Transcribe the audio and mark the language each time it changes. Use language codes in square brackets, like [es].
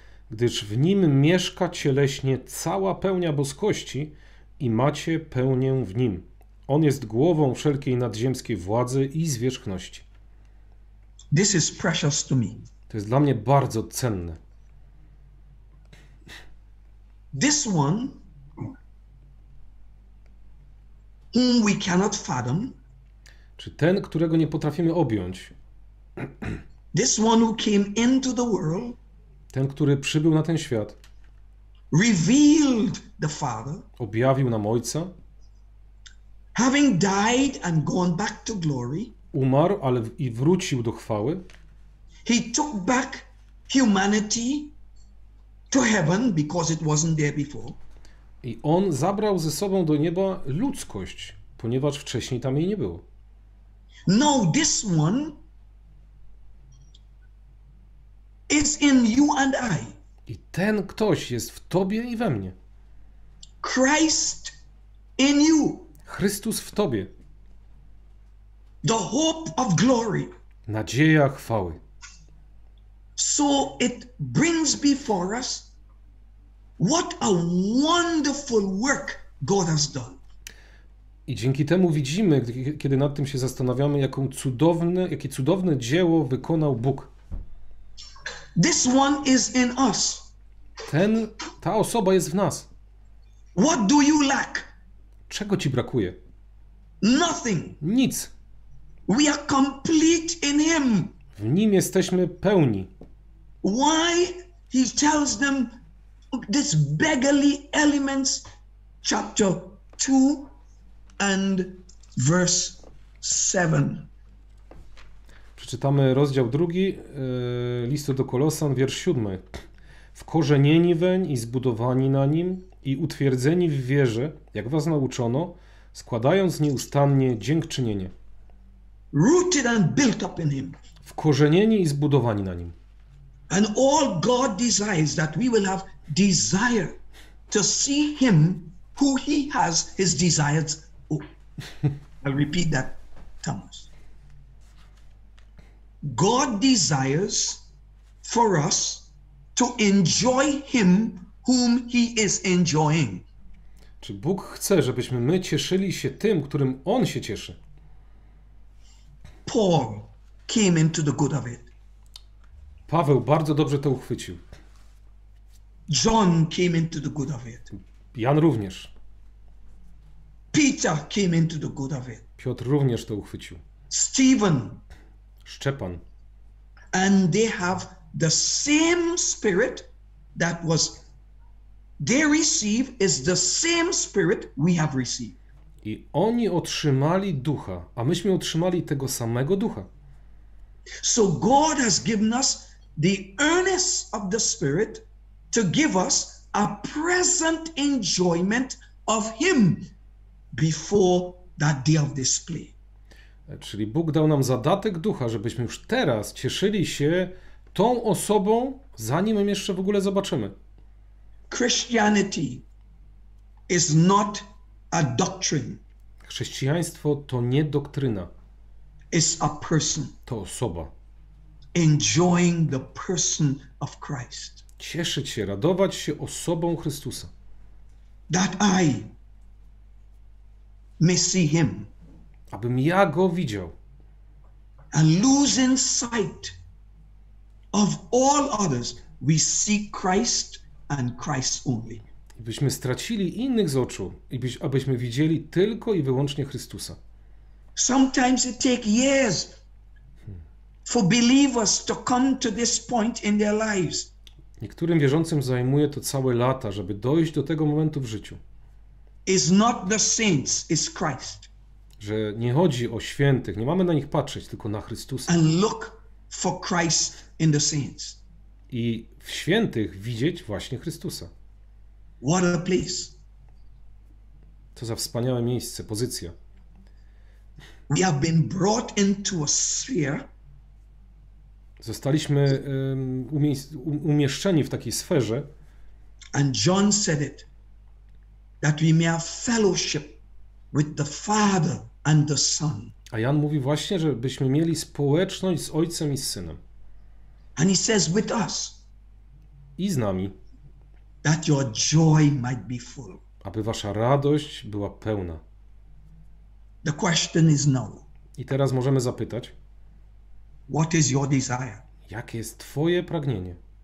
[pl] Gdyż w nim mieszka cieleśnie cała pełnia boskości i macie pełnię w nim. On jest głową wszelkiej nadziemskiej władzy i zwierzchności. [en] This is precious to me. [pl] To jest dla mnie bardzo cenne. [en] This one, whom we cannot fathom, [pl] czy ten, którego nie potrafimy objąć, [en] this one who came into the world, [pl] ten, który przybył na ten świat, [en] revealed the Father, [pl] objawił nam Ojca, [en] having died and gone back to glory, [pl] umarł, ale i wrócił do chwały, [en] he took back humanity to heaven because it wasn't there before. [pl] I on zabrał ze sobą do nieba ludzkość, ponieważ wcześniej tam jej nie było. [en] No, this one is in you and I. [pl] I ten ktoś jest w tobie i we mnie. [en] Christ in you. [pl] Chrystus w tobie. [en] The hope of glory. [pl] Nadzieja chwały. [en] So it brings before us what a wonderful work God has done. [pl] I dzięki temu widzimy, kiedy nad tym się zastanawiamy, jakie cudowne dzieło wykonał Bóg. [en] This one is in us. [pl] Ta osoba jest w nas. [en] What do you lack? [pl] Czego ci brakuje? [en] Nothing. [pl] Nic. [en] We are complete in him. [pl] W nim jesteśmy pełni. [en] Why he tells them this beggarly elements, chapter 2 and verse 7. [pl] Przeczytamy rozdział 2, listu do Kolosan, wiersz 7. Wkorzenieni weń i zbudowani na nim i utwierdzeni w wierze, jak was nauczono, składając nieustannie dziękczynienie. [en] Rooted and built up in him. [pl] Wkorzenieni i zbudowani na nim. [en] And all God desires that we will have desire to see him who he has his desires. Oh, I'll repeat that, Thomas. God desires for us to enjoy him whom he is enjoying. [pl] Czy Bóg chce, żebyśmy my cieszyli się tym, którym on się cieszy? [en] Paul came into the good of it. [pl] Paweł bardzo dobrze to uchwycił. [en] John came into the good of it. [pl] Jan również. [en] Peter came into the good of it. [pl] Piotr również to uchwycił. [en] Stephen. [pl] Szczepan. [en] And they have the same spirit that was they receive is the same spirit we have received. [pl] I oni otrzymali ducha, a myśmy otrzymali tego samego ducha. [en] So God has given us the earnest of the spirit to give us a present enjoyment of him before that day of display. [pl] Czyli Bóg dał nam zadatek ducha, żebyśmy już teraz cieszyli się tą osobą, zanim ją jeszcze w ogóle zobaczymy. [en] Christianity is not a doctrine. [pl] Chrześcijaństwo to nie doktryna. [en] It's a person. [pl] To osoba. [en] Enjoying the person of Christ. [pl] Cieszyć się, radować się osobą Chrystusa. [en] That I may see him. [pl] Abym ja go widział. [en] And losing sight of all others, we see Christ and Christ only. [pl] Byśmy stracili innych z oczu, abyśmy widzieli tylko i wyłącznie Chrystusa. [en] Sometimes it takes years for believers to come to this point in their lives. [pl] Niektórym wierzącym zajmuje to całe lata, żeby dojść do tego momentu w życiu. [en] It's not the saints, it's Christ. [pl] Że nie chodzi o świętych, nie mamy na nich patrzeć, tylko na Chrystusa. [en] And look for Christ in the saints. [pl] I w świętych widzieć właśnie Chrystusa. [en] What a place. [pl] To za wspaniałe miejsce, pozycja. [en] We have been brought into a sphere. [pl] Zostaliśmy umieszczeni w takiej sferze. [en] And John said it, that we may have fellowship with the Father and the Son. [pl] A Jan mówi właśnie, żebyśmy mieli społeczność z Ojcem i z Synem. [en] And he says with us. [pl] I z nami. [en] That your joy might be full. [pl] Aby wasza radość była pełna. [en] The question is now. [pl] I teraz możemy zapytać. [en] What is your desire? [pl] Jakie jest twoje pragnienie?